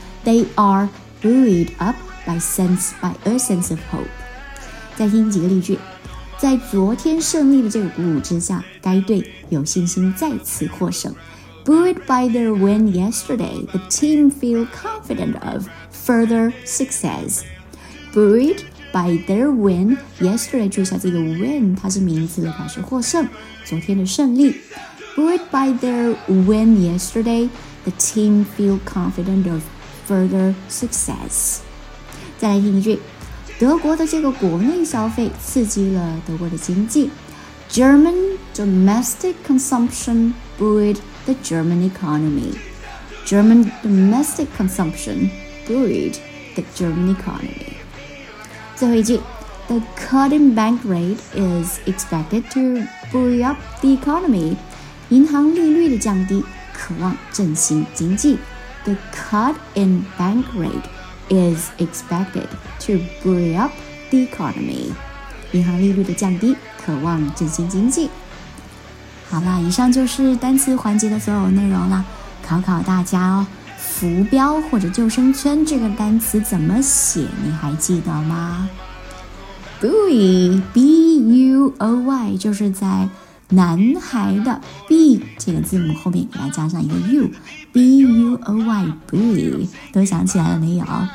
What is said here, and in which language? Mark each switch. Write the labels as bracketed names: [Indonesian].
[English] They are buoyed up by a sense of hope。 [Chinese] 再听几个例句，在昨天胜利的这个鼓舞之下，该队有信心再次获胜。 [English] Buoyed by their win yesterday, the team feel confident of further success. Buoyed by their win yesterday, [Chinese] 注意一下这个 win 它是名词的，表示获胜，昨天的胜利。 [English] Buoyed by their win yesterday, the team feel confident of further success. [Chinese] 再来听一句，德国的这个国内消费刺激了德国的经济。 [English] German domestic consumption buoyed the German economy. German domestic consumption buoyed the German economy. [Chinese] 最后一句， [English] the cut in bank rate is expected to buoy up the economy. [Chinese] 银行利率的降低渴望振兴经济。 [English] The cut in bank rate is expected to buoy up the economy. [Chinese] 银行利率的降低渴望振兴经济。好了，以上就是单词环节的所有内容了。考考大家哦，浮标或者救生圈这个单词怎么写，你还记得吗？ buoy B-U-O-Y 就是在男孩的 B 这个字母后面给它加上一个 U， B-U-O-Y buoy， 都想起来了没有？